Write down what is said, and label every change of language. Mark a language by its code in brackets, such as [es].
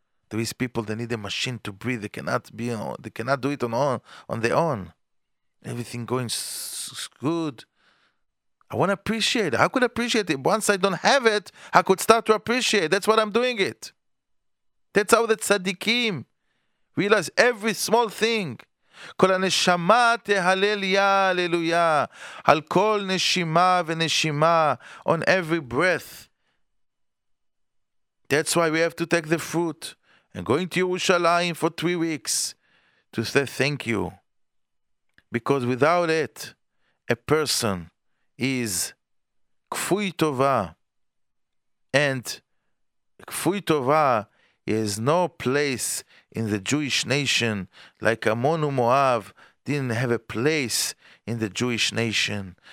[en] There is people that need a machine to breathe. They cannot do it on their own. Everything going good. I want to appreciate it. How could I appreciate it? Once I don't have it, I could start to appreciate. That's what I'm doing it. That's how the tzaddikim realize every small thing. [he] כל הנשמה תהלל יא הללויה על כל נשימה ונשימה, [en] on every breath. That's why we have to take the fruit and going to Yerushalayim for 3 weeks to say thank you. Because without it, a person is kfui tova, and kfui tova is no place in the Jewish nation, like Ammon and Moab didn't have a place in the Jewish nation.